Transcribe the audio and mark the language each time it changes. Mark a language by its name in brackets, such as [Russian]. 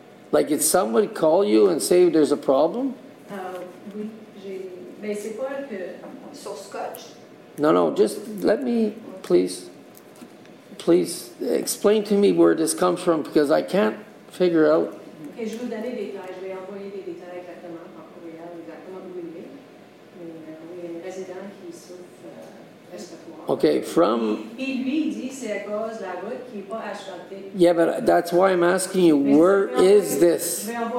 [English] Like, did somebody call you and say there's a problem? [French] Oui, j'ai... Mais c'est pas que... Sur Scotch? [English] No, just let me, please explain to me where this comes from, because I can't figure out. [French] OK, je vais vous donner des détails. Je vais envoyer des détails exactement par courriel, exactement où il est. Mais il y a un résident qui souffre. [English] OK, from... Yeah, but that's why I'm asking you, where is this?